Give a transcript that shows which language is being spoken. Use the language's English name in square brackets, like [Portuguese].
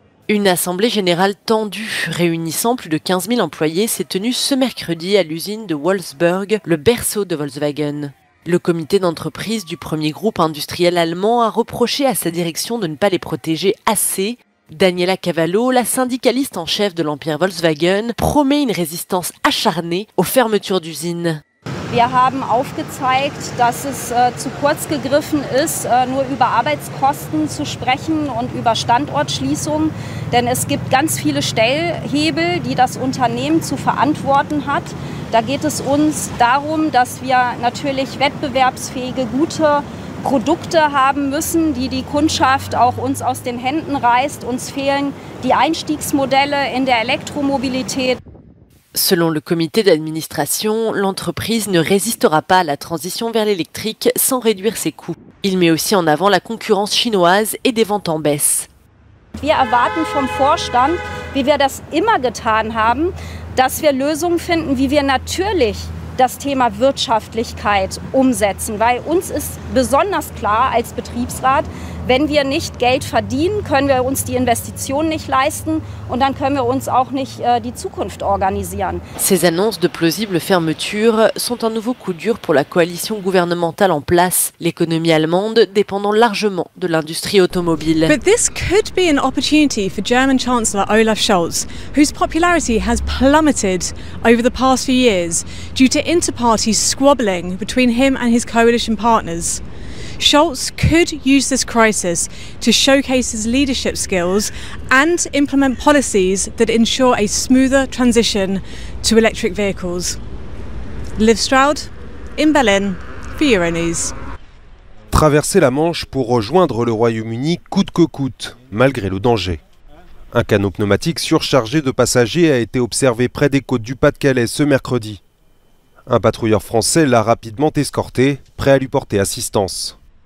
[French] Une assemblée générale tendue, réunissant plus de 15 000 employés, s'est tenue ce mercredi à l'usine de Wolfsburg, le berceau de Volkswagen. Le comité d'entreprise du premier groupe industriel allemand a reproché à sa direction de ne pas les protéger assez. Daniela Cavallo, la syndicaliste en chef de l'empire Volkswagen, promet une résistance acharnée aux fermetures d'usines. [German] Wir haben aufgezeigt, dass es zu kurz gegriffen ist, nur über Arbeitskosten zu sprechen und über Standortschließungen. Denn es gibt ganz viele Stellhebel, die das Unternehmen zu verantworten hat. Da geht es uns darum, dass wir natürlich wettbewerbsfähige, gute Produkte haben müssen, die die Kundschaft auch uns aus den Händen reißt. Uns fehlen die Einstiegsmodelle in der Elektromobilität. [French] Selon le comité d'administration, l'entreprise ne résistera pas à la transition vers l'électrique sans réduire ses coûts. Il met aussi en avant la concurrence chinoise et des ventes en baisse. [German] Wir erwarten vom Vorstand, wie wir das immer getan haben, dass wir Lösungen finden, wie wir natürlich das Thema Wirtschaftlichkeit umsetzen. Weil uns ist besonders klar als Betriebsrat, wenn wir nicht Geld verdienen, können wir uns die Investitionen nicht leisten und dann können wir uns auch nicht die Zukunft organisieren. [French] Ces annonces de plausible fermeture sont un nouveau coup dur pour la coalition gouvernementale en place, l'économie allemande dépendant largement de l'industrie automobile. [English] But this could be an opportunity for German Chancellor Olaf Scholz, whose popularity has plummeted over the past few years due to inter-party squabbling between him and his coalition partners. Scholz could use this crisis to showcase his leadership skills and implement policies that ensure a smoother transition to electric vehicles. Liv Stroud, in Berlin, for Euronews. [French] Traverser la Manche pour rejoindre le Royaume-Uni coûte que coûte, malgré le danger. Un canot pneumatique surchargé de passagers a été observé près des côtes du Pas-de-Calais ce mercredi. Un patrouilleur français l'a rapidement escorté, prêt à lui porter assistance.